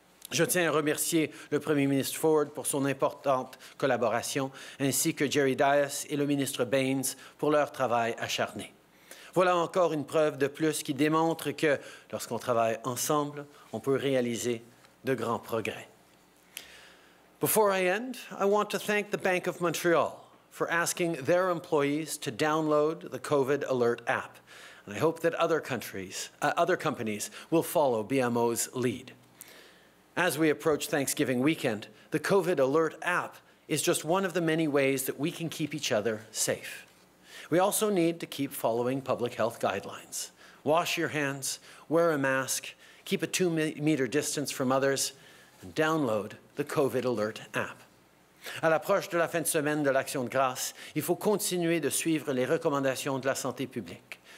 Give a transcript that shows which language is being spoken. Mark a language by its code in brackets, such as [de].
[fr] Je tiens à remercier le Premier ministre Ford pour son importante collaboration, ainsi que Jerry Diaz et le ministre Baines pour leur travail acharné. Voilà encore une preuve de plus qui démontre que, lorsqu'on travaille ensemble, on peut réaliser de grands progrès. [en] Before I end, I want to thank the Bank of Montreal for asking their employees to download the COVID Alert app. And I hope that other companies will follow BMO's lead. As we approach Thanksgiving weekend, the COVID Alert app is just one of the many ways that we can keep each other safe. We also need to keep following public health guidelines. Wash your hands, wear a mask, keep a 2-meter distance from others, and download the COVID Alert app. [fr] À l'approche de la fin de semaine de l'Action de grâce, il faut continuer de suivre les recommandations de la santé publique.